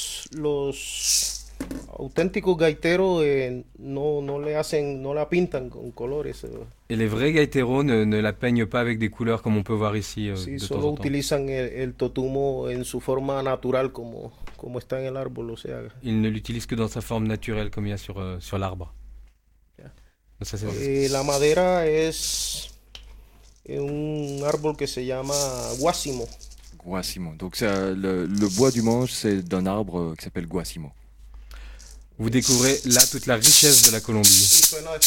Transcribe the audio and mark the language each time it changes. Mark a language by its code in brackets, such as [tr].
[es] Los auténticos gaiteros no la pintan con colores. [fr] Et les vrais gaiteros ne la peignent pas avec des couleurs comme on peut voir ici. [es] Sí, solo utilizan el totumo en su forma natural como está en el árbol, o sea. [fr] Ils ne l'utilisent que dans sa forme naturelle comme il y a sur l'arbre. Yeah. Ça, [es] la madera es un árbol que se llama guásimo. Guásimo. [fr] Donc ça, le bois du manche, c'est d'un arbre qui s'appelle guásimo. Vous découvrez là toute la richesse de la Colombie.